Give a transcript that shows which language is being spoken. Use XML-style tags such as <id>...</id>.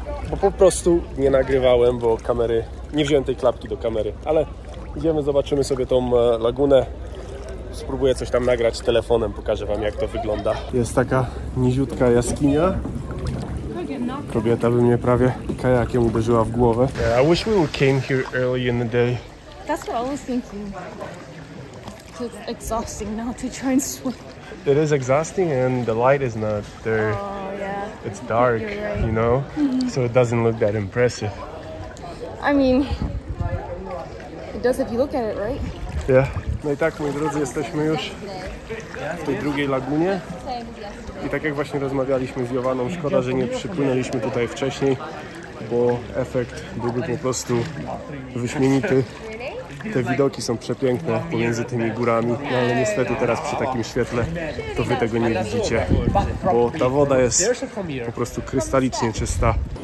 <pl>bo po prostu nie nagrywałem, bo kamery, nie wziąłem tej klapki do kamery, ale idziemy, zobaczymy sobie tą lagunę. Spróbuję coś tam nagrać telefonem, pokażę wam, jak to wygląda. Jest taka niziutka jaskinia. Kobieta by mnie prawie kajakiem uderzyła w głowę.</pl> <en>Yeah, I wish we came here early in the day. That's what I was thinking. It's exhausting now to try and swim. It is exhausting and the light is not there. Oh, yeah. It's dark, right. You know? Mm-hmm. So it doesn't look that impressive. I mean, it does if you look at it, right? Yeah.</en> <pl>No i tak, moi drodzy, jesteśmy już w tej drugiej lagunie. I tak jak właśnie rozmawialiśmy z Jovaną, szkoda, że nie przypłynęliśmy tutaj wcześniej, bo efekt byłby po prostu wyśmienity. Te widoki są przepiękne pomiędzy tymi górami, no ale niestety teraz przy takim świetle to wy tego nie widzicie, bo ta woda jest po prostu krystalicznie czysta.</pl>